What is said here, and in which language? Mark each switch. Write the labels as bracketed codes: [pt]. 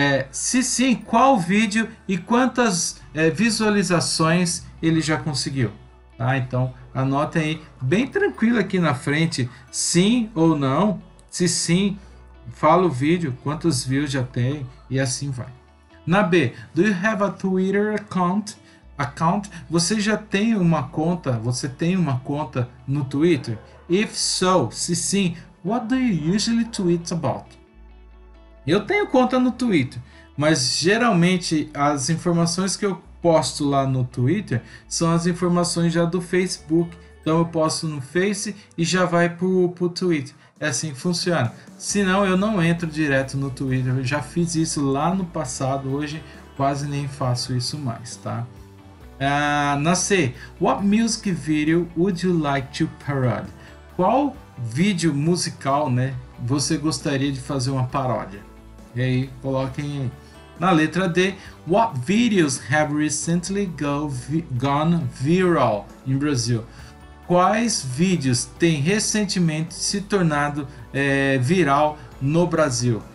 [pt] Se sim, qual vídeo e quantas visualizações ele já conseguiu? Tá? Então, anotem aí bem tranquilo aqui na frente, sim ou não. Se sim, fala o vídeo, quantos views já tem e assim vai. Na B, [en] do you have a Twitter account? [pt] Você já tem uma conta? Você tem uma conta no Twitter? [en] If so, [pt] se sim, [en] what do you usually tweet about? [pt] Eu tenho conta no Twitter, mas geralmente as informações que eu posto lá no Twitter são as informações já do Facebook. Então eu posto no Face e já vai pro Twitter. É assim que funciona. Senão eu não entro direto no Twitter. Eu já fiz isso lá no passado, hoje quase nem faço isso mais, tá? Na C, [en] what music video would you like to parody? [pt] Qual vídeo musical, né, você gostaria de fazer uma paródia? E aí, coloquem aí. Na letra D, [en] what videos have recently gone viral [pt] em Brasil? Quais vídeos têm recentemente se tornado viral no Brasil?